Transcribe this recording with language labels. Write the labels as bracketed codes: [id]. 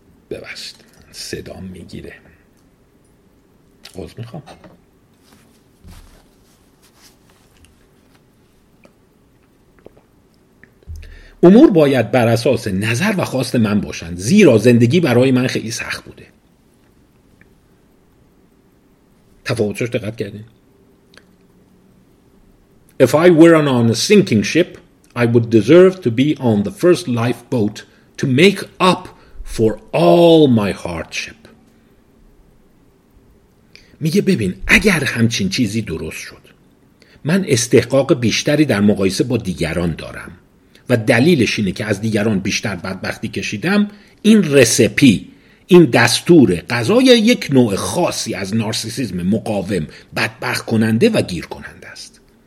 [fa] ببخشید صدام میگیره. عذر میخوام. امور باید بر اساس نظر و خواست من باشند، زیرا زندگی برای من خیلی سخت بوده. تفاوتش دقت کردین؟ [en] If I were on a sinking ship, I would deserve to be on the first lifeboat to make up for all my hardship. [fa] میگه ببین اگر همچین چیزی درست شد، من استحقاق بیشتری در مقایسه با دیگران دارم و دلیلش اینه که از دیگران بیشتر بدبختی کشیدم، این رسپی، این دستور غذای یک نوع خاصی از نارسیسیزم مقاوم، بدبخت کننده و گیر کننده است.